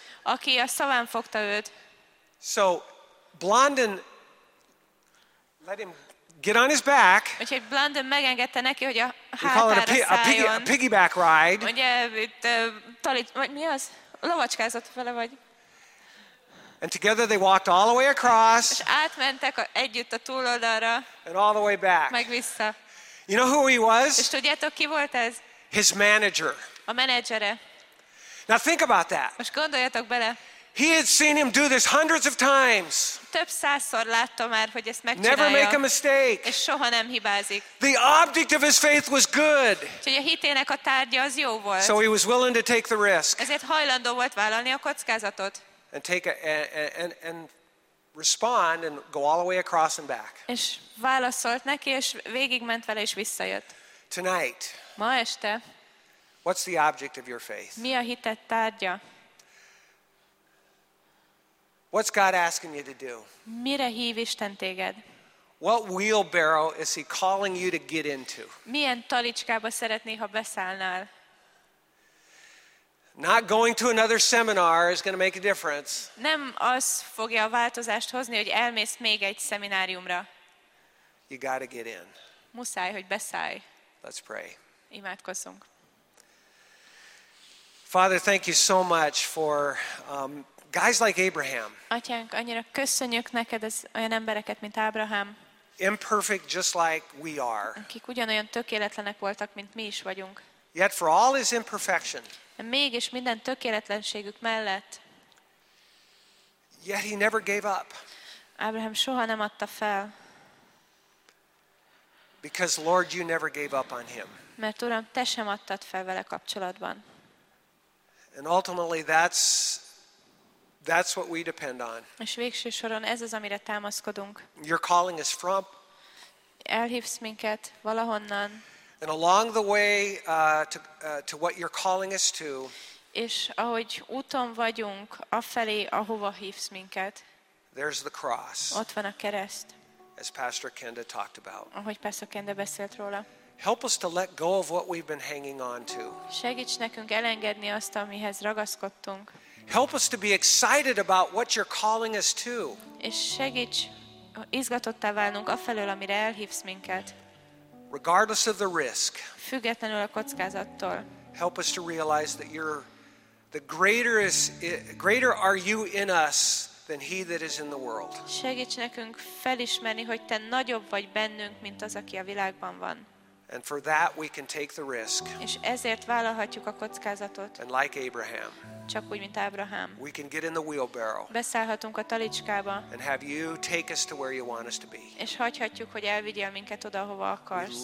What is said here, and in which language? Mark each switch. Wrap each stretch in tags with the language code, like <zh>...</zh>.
<hu>Aki a szaván fogta őt.</hu> <en>So Blondin let him get on his back.</en> <hu>Úgyhogy Blondin megengedte neki, hogy a hátára szálljon.</hu> <en>A piggyback ride.</en> <hu>Ugye itt mi az? Lovacskázott vele vagy?</hu> <en>And together they walked all the way across.</en> <hu>És átmentek együtt a túloldalra.</hu> <en>And all the way back.</en> <hu>Meg vissza.</hu> <en>You know who he was?</en> <hu>És tudjátok, ki volt ez?</hu> <en>His manager.</en> <hu>A menedzsere.</hu> <en>Now think about that.</en> <hu>Most gondoljatok bele.</hu> <en>He had seen him do this hundreds of times.</en> <hu>Több százszor látta már, hogy ezt megcsinálja.</hu> <en>Never make a mistake.</en> <hu>És soha nem hibázik.</hu> <en>The object of his faith was good.</en> <hu>Úgyhogy a hitének a tárgya az jó volt.</hu> <en>So he was willing to take the risk.</en> <hu>Ezért hajlandó volt vállalni a kockázatot.</hu> <en>And take and respond and go all the way across and back.</en> <hu>És válaszolt neki, és végigment vele, és visszajött.</hu> <en>Tonight.</en> <hu>Ma este.</hu> <en>What's the object of your faith?</en> <hu>Mi a hited tárgya?</hu> <en>What's God asking you to do?</en> <hu>Mire hív Isten téged?</hu> <en>What wheelbarrow is he calling you to get into?</en> <hu>Milyen talicskába szeretné, ha beszállnál?</hu> <en>Not going to another seminar is going to make a difference.</en> <hu>Nem az fogja a változást hozni, hogy elmész még egy szemináriumra.</hu> <en>You got to get in.</en> <hu>Muszáj, hogy beszállj.</hu> <en>Let's pray.</en> <hu>Imádkozzunk.</hu> <en>Father, thank you so much for guys like Abraham.</en> <hu>Atyánk, annyira köszönjük neked az olyan embereket, mint Ábrahám.</hu> <en>Imperfect just like we are.</en> <hu>Akik ugyanolyan tökéletlenek voltak, mint mi is vagyunk.</hu> <en>Yet for all his imperfection.</en> <hu>Mégis minden tökéletlenségük mellett.</hu> <en>Yet he never gave up.</en> <hu>Ábrahám soha nem adta fel.</hu> <en>Because Lord, you never gave up on him.</en> <hu>Mert Uram, te sem adtad fel vele kapcsolatban.</hu> <en>And ultimately that's what we depend on.</en> <hu>És végső soron ez az, amire támaszkodunk.</hu> <en>Your calling is from.</en> <hu>Elhívsz minket valahonnan.</hu> <en>And along the way to what you're calling us to.</en> <hu>És ahogy úton vagyunk afelé, ahova hívsz minket.</hu> <en>There's the cross.</en> <hu>Ott van a kereszt.</hu> <en>As Pastor Kenda talked about.</en> <hu>Ahogy Pastor Kenda beszélt róla.</hu> <en>Help us to let go of what we've been hanging on to.</en> <hu>Segíts nekünk elengedni azt, amihez ragaszkodtunk.</hu> <en>Help us to be excited about what you're calling us to.</en> <hu>És segíts izgatottá válnunk afelől, amire elhívsz minket.</hu> <en>Regardless of the risk.</en> <hu>Függetlenül a kockázattól.</hu> <en>Help us to realize that you're the greater is greater are you in us than he that is in the world.</en> <hu>Segíts nekünk felismerni, hogy te nagyobb vagy bennünk, mint az, aki a világban van.</hu> <en>And for that we can take the risk.</en> <hu>És ezért vállalhatjuk a kockázatot.</hu> <en>And like Abraham.</en> <hu>Csak úgy, mint Ábrahám.</hu> <en>We can get in the wheelbarrow.</en> <hu>Beszállhatunk a talicskába.</hu> <en>And have you take us to where you want us to be.</en> <hu>És hagyhatjuk, hogy elvigyél minket oda, hova akarsz.</hu>